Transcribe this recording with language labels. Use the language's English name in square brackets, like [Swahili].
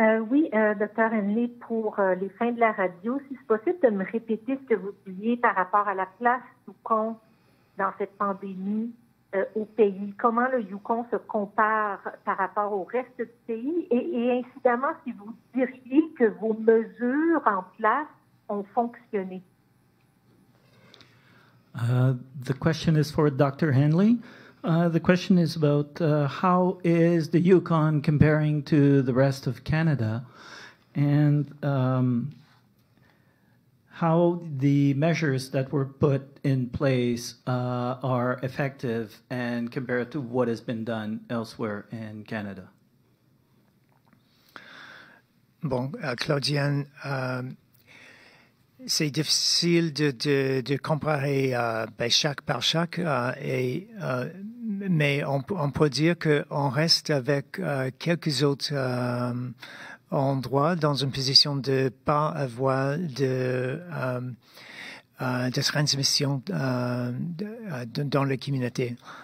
[French] Oui, docteur Hanley, pour les fins de la radio, si c'est possible de me répéter ce que vous disiez par rapport à la place du Yukon dans cette pandémie au pays. Comment le Yukon se compare par rapport au reste du pays? Et incidemment, si vous diriez que vos mesures en place ont fonctionné. [English] The question is for Dr. Hanley. The question is about how is the Yukon comparing to the rest of Canada, and how the measures that were put in place are effective and compared to what has been done elsewhere in Canada. [French] Bon, Tracey-Anne, c'est difficile de comparer chaque par chaque mais on peut dire que on reste avec quelques autres endroits dans une position de pas avoir de transmission dans la communauté.